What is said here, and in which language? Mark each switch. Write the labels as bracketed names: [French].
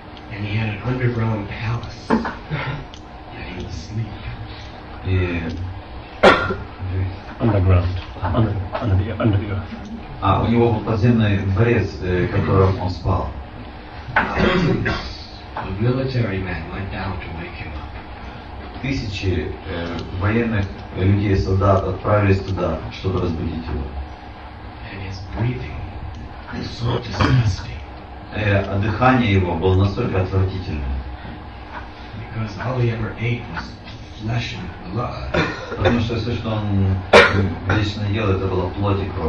[English] And he had an underground palace. Yeah, he was sleeping. [Russian] И [English] Underground, under the earth. [Russian] А, у него был подземный дворец, которым он спал. [English] A military man went down to wake him up. [Russian] Тысячи военных людей, солдат отправились туда, чтобы разбудить его. [English] And his breathing was so disgusting. [Russian] А дыхание его было настолько отвратительное. [English] Because all he ever ate was flesh and blood. [Russian] Потому что все, что он вечно ел, это было плоть и